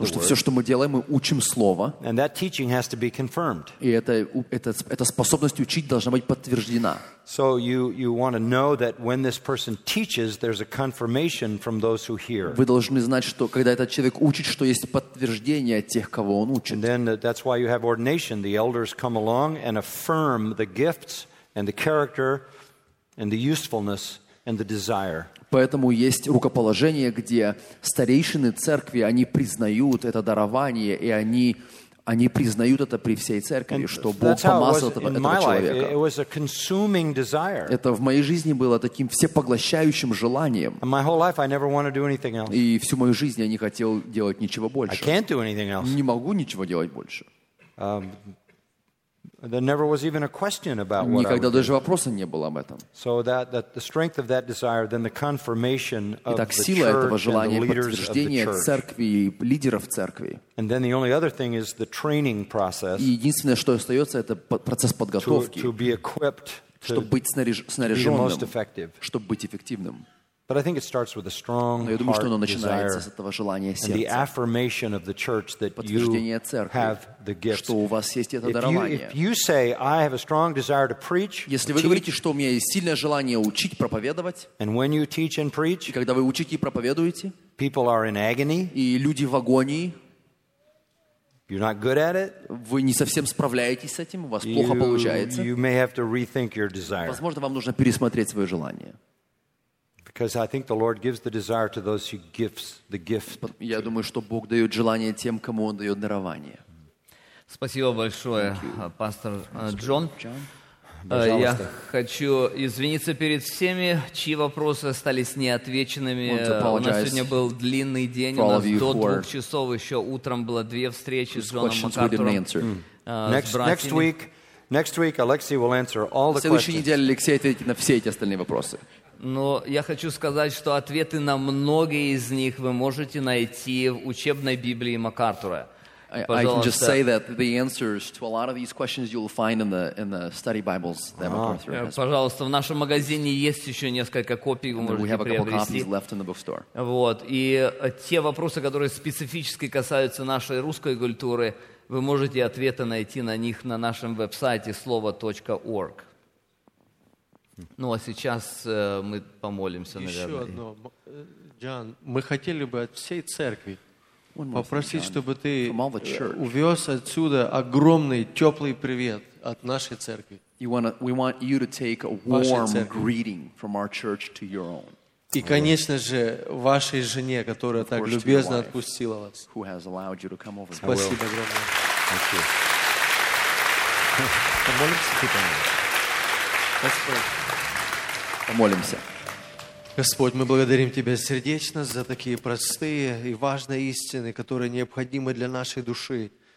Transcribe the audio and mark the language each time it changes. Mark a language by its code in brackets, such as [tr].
[ru] Потому что все, что мы делаем, мы учим слово. [en] And that teaching has to be confirmed. [ru] И эта способность учить должна быть подтверждена. [en] So you want to know that when this person teaches, there's a confirmation from those who hear. [ru] Вы должны знать, что когда этот человек учит, что есть подтверждение от тех, кого он учит. [en] And then that's why you have ordination. The elders come along and affirm the gifts and the character and the usefulness and the desire. [ru] Поэтому есть рукоположение, где старейшины церкви, они признают это дарование, и они признают это при всей церкви, and что Бог помазал этого человека. Это в моей жизни было таким всепоглощающим желанием. И всю мою жизнь я не хотел делать ничего больше. Не могу ничего делать больше. [en] There never was even a question about what. [ru] Никогда даже вопроса не было об этом. [en] So that the strength of that desire, then the confirmation of the church. [ru] И так сила этого желания, подтверждение церкви и лидеров церкви. [en] And then the only other thing is the training process. [ru] И единственное, что остается, это процесс подготовки. [en] To be equipped. [ru] Чтобы быть снаряженным. Чтобы быть эффективным. [en] But I think it starts with a strong heart desire. [ru] Я думаю, что оно начинается с этого желания сердца. [en] And the affirmation of the church that you have the gift. [ru] Что у вас есть это дарование. [en] If you say I have a strong desire to preach. [ru] Если вы говорите, что у меня есть сильное желание учить, проповедовать. [en] And when you teach and preach. [ru] И когда вы учите и проповедуете. [en] People are in agony. [ru] И люди в агонии. [en] You're not good at it. [ru] Вы не совсем справляетесь с этим, у вас плохо получается. [en] You may have to rethink your desire. [ru] Возможно, вам нужно пересмотреть свое желание. [en] Because I think the Lord gives the desire to those who gives the gift. [ru] Я думаю, что Бог дает желание тем, кому Он дает дарование. Спасибо большое, пастор Джон. Я хочу извиниться перед всеми, чьи вопросы остались неотвеченными. У нас сегодня был длинный день. У нас до 2 часов еще утром было 2 встречи с Джоном МакАртуром. [en] Next week, Alexei will answer all the questions. [ru] В следующей неделе Алексей ответит на все эти остальные вопросы. Но я хочу сказать, что ответы на многие из них вы можете найти в учебной Библии МакАртура. [en] Пожалуйста. I can just say that the answers to a lot of these questions you'll find in the study Bibles that MacArthur has. [ru] Пожалуйста, в нашем магазине есть еще несколько копий, вы можете приобрести. [en] And we have a couple copies left in the bookstore. [ru] Вот. И те вопросы, которые специфически касаются нашей русской культуры, вы можете ответы найти на них на нашем веб-сайте slovo.org. Ну, а сейчас мы помолимся, еще наверное. Еще одно. Джон, мы хотели бы от всей церкви попросить, чтобы ты увез отсюда огромный теплый привет от нашей церкви. [en] We want you to take a warm greeting from our church to your own. [ru] И, конечно же, вашей жене, которая так любезно отпустила вас. [en] Who has allowed you to come over. [ru] Спасибо огромное. [en] Thank you. [ru] Помолимся. Помолимся. Господь, мы благодарим Тебя сердечно за такие простые и важные истины, которые необходимы для нашей души.